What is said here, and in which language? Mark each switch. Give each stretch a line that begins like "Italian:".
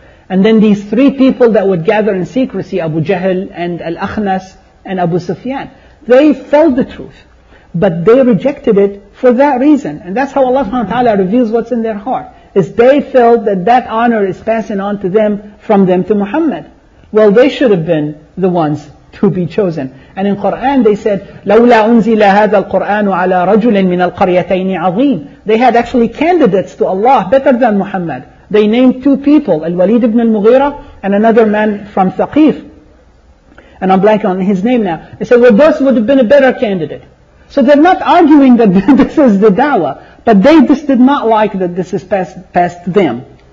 English: And then these three people that would gather in secrecy, Abu Jahl and Al-Akhnas and Abu Sufyan, they felt the truth. But they rejected it for that reason. And that's how Allah subhanahu wa ta'ala reveals what's in their heart. Is they felt that honor is passing on to them, from them to Muhammad. Well, they should have been the ones to be chosen. And in Quran they said,
Arabic: لَوْلَا أُنزِلَ هَذَا الْقُرْآنُ عَلَىٰ رَجُلٍ مِنَ الْقَرْيَتَيْنِ عَظِيمٍ.
English: They had actually candidates to Allah better than Muhammad. They named two people, Al-Walid ibn al-Mughira and another man from Thaqif. And I'm blanking on his name now. They said, well, both would have been a better candidate. So they're not arguing that this is the da'wah, but they just did not like that this is past them.